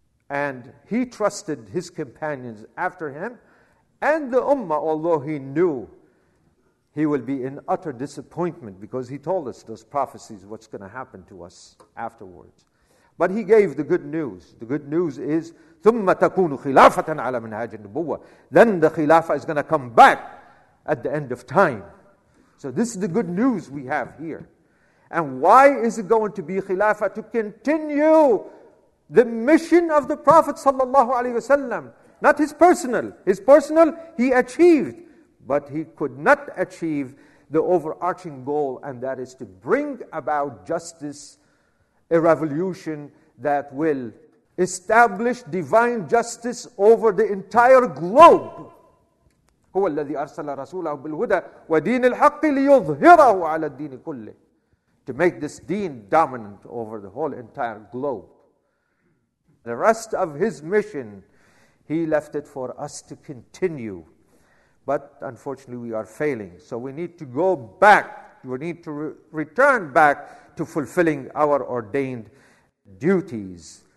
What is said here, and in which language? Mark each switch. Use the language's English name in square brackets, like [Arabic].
[English] And he trusted his companions after him and the Ummah, although he knew he will be in utter disappointment because he told us those prophecies, what's going to happen to us afterwards. But he gave the good news. The good news is, [Arabic] ثُمَّ تَكُونُ خِلَافَةً عَلَى مِنْهَاجِ النُّبُوَّةِ. [English] Then the Khilafah is going to come back at the end of time. So this is the good news we have here. And why is it going to be Khilafah? To continue the mission of the Prophet sallallahu alaihi wasallam, not his personal. His personal he achieved, but he could not achieve the overarching goal, and that is to bring about justice, a revolution that will establish divine justice over the entire globe. [Arabic] هو الذي أرسل رسوله بالهدى ودين الحق ليظهره على الدين كله. [English] To make this deen dominant over the whole entire globe. The rest of his mission, he left it for us to continue. But unfortunately, we are failing. So we need to go back. We need to return back to fulfilling our ordained duties.